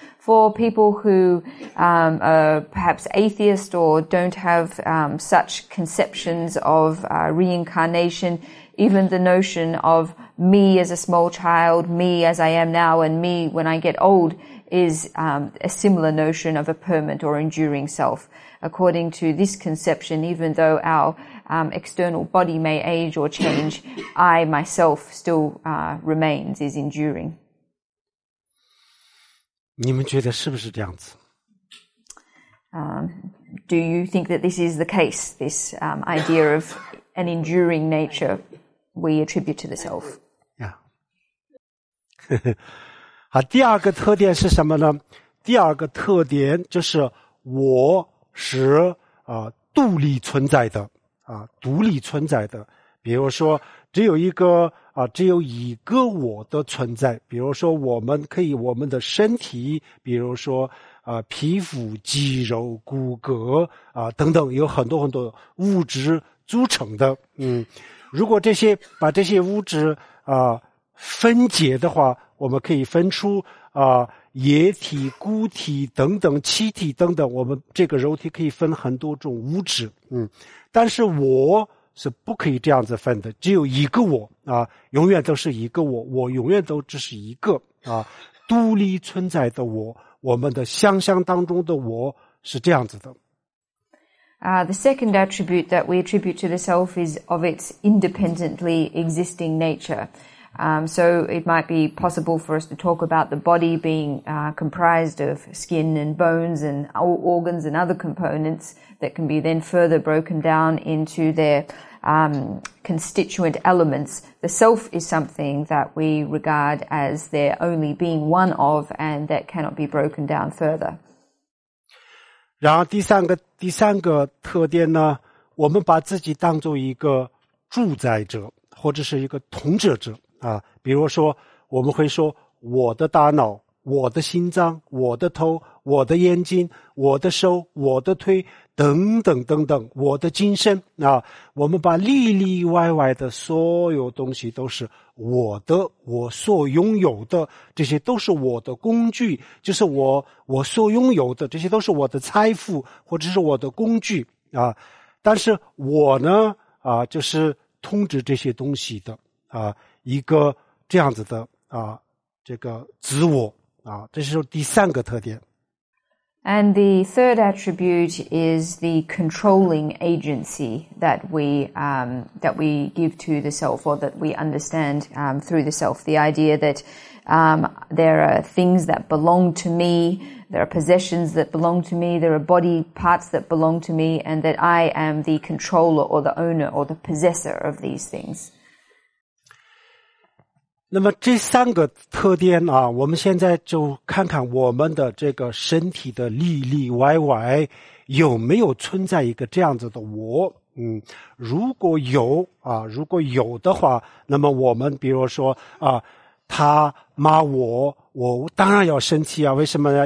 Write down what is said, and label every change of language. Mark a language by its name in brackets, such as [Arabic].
[English] For people who, are perhaps atheist or don't have, such conceptions of, reincarnation, even the notion of me as a small child, me as I am now, and me when I get old is, a similar notion of a permanent or enduring self. According to this conception, even though our external body may age or change, I myself still remains, is enduring. [Chinese] 你们觉得是不是这样子？ [English] Do you think that this is the case, this idea of an enduring nature we attribute to the self? Yeah. [Chinese] 好，第二个特点是什么呢？第二个特点就是我是独立存在的。啊，独立存在的，比如说只有一个啊，只有一个我的存在。比如说我们可以我们的身体，比如说啊皮肤、肌肉、骨骼啊等等，有很多很多物质组成的。如果这些把这些物质啊分解的话，我们可以分出啊液体、固体等等、气体等等，我们这个肉体可以分很多种物质。但是我是不可以这样子分的，只有一个我啊，永远都是一个我，我永远都只是一个啊，独立存在的我，我们的想象当中的我是这样子的。 [English] The second attribute that we attribute to the self is of its independently existing nature. So it might be possible for us to talk about the body being comprised of skin and bones and organs and other components that can be then further broken down into their constituent elements. The self is something that we regard as there only being one of and that cannot be broken down further. [Chinese] 然后第三个特点呢，我们把自己当作一个主宰者或者是一个统治者。啊，比如说我们会说我的大脑、我的心脏、我的头、我的眼睛、我的手、我的腿等等等等，我的精神啊，我们把里里外外的所有东西都是我的，我所拥有的这些都是我的工具，就是我所拥有的这些都是我的财富或者是我的工具啊。但是我呢啊，就是通知这些东西的啊，一个这样子的啊，这个自我啊，这是第三个特点。 [English] And the third attribute is the controlling agency that we give to the self, or that we understand through the self. The idea that there are things that belong to me, there are possessions that belong to me, there are body parts that belong to me, and that I am the controller or the owner or the possessor of these things. [Chinese] 那么这三个特点啊，我们现在就看看我们的这个身体的里里外外有没有存在一个这样子的我。嗯，如果有啊，如果有的话，那么我们比如说啊，他骂我，我当然要生气啊，为什么呢？